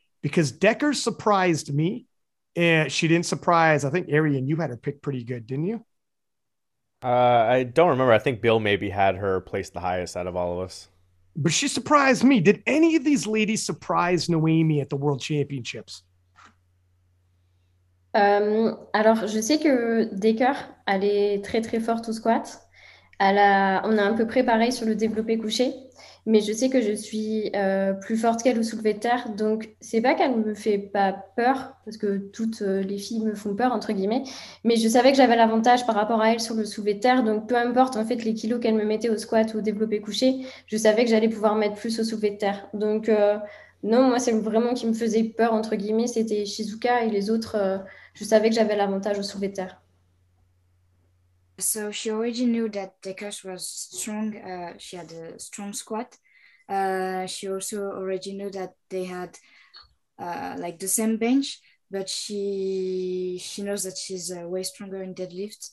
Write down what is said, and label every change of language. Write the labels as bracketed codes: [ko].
[en] Because Decker surprised me, and she didn't surprise, I think, Arian, you had her pick pretty good, didn't you? I don't remember. I think Bill maybe had her placed the highest out of all of us. But she surprised me. Did any of these ladies surprise Noemi at the World Championships? [fr] Alors, je sais que Decker, elle est très, très forte au squat. On a un peu préparé sur le développé couché. Mais je sais que je suis plus forte qu'elle au soulevé de terre. Donc, ce n'est pas qu'elle ne me fait pas peur, parce que toutes les filles me font peur, entre guillemets. Mais je savais que j'avais l'avantage par rapport à elle sur le soulevé de terre. Donc, peu importe en fait les kilos qu'elle me mettait au squat ou au développé couché, je savais que j'allais pouvoir mettre plus au soulevé de terre. Donc, non, moi, c'est vraiment qui me faisait peur, entre guillemets. C'était Shizuka et les autres. Je savais que j'avais l'avantage au soulevé de terre. [en] So she already knew that Dekas was strong. She had a strong squat. She also already knew that they had like the same bench, but she knows that she's way stronger in deadlift.